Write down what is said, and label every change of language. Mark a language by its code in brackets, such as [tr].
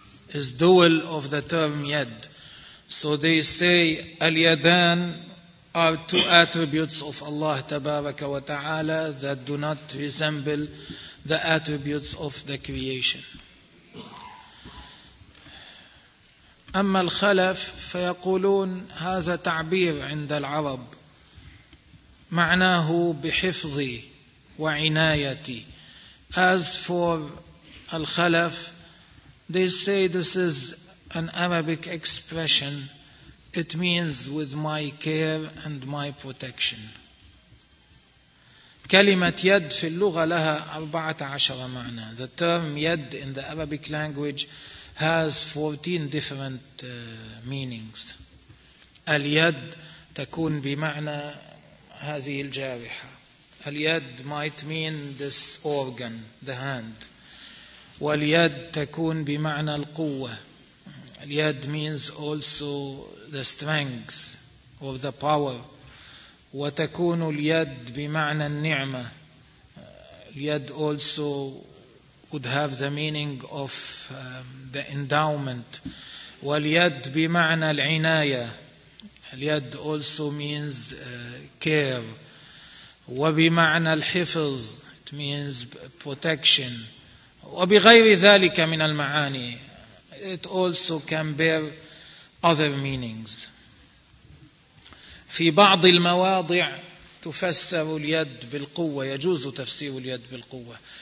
[en] is dual of the term yad. So they say al-yadan are two attributes of Allah tabaraka wa ta'ala that do not resemble the attributes of the creation. [ar] أما الخلف فيقولون هذا تعبير عند العرب معناه بحفظي وعنايتي. [en] As for الخلف, they say this is an Arabic expression. It means with my care and my protection. [ar] كلمة يد في اللغة لها 14 معنى. [en] The term يد in the Arabic language has 14 different meanings. [ar] اليد تكون بمعنى هذه الجارحة. [en] اليد might mean this organ, the hand. [ar] واليد تكون بمعنى القوة. [en] اليد means also the strength or the power. [ar] وتكون اليد بمعنى النعمة. [en] اليد also would have the meaning of the endowment. [ar] واليد بمعنى العناية. [en] اليد also means care. [ar] وبمعنى الحفظ, [en] it means protection. [ar] وبغير ذلك من المعاني, [en] it also can bear other meanings. [ar] في بعض المواضع تفسر اليد بالقوة, يجوز تفسير اليد بالقوة.